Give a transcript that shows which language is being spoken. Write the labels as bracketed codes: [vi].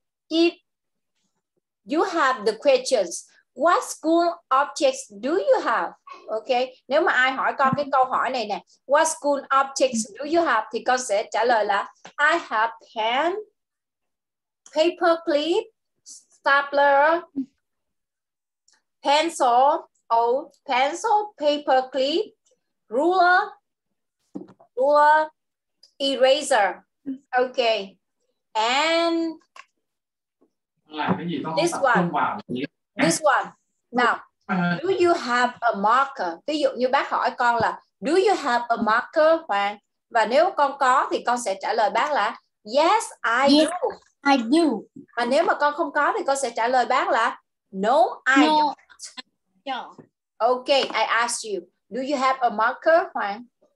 [en] If you have the questions, what school objects do you have? Okay. [vi] Nếu mà ai hỏi con cái câu hỏi này nè, [en] what school objects do you have? [vi] Thì con sẽ trả lời là [en] I have pen, paper clip, stapler, pencil, pencil, paper clip, ruler, eraser. Okay. And this one. This one. Now, do you have a marker? [vi] Ví dụ như bác hỏi con là [en] do you have a marker, [vi] Hoàng? Và nếu con có thì con sẽ trả lời bác là [en] yes, I yes, do. I do. [vi] Và nếu mà con không có thì con sẽ trả lời bác là [en] no, I no. don't. Okay, I ask you, do you have a marker, Hoàng?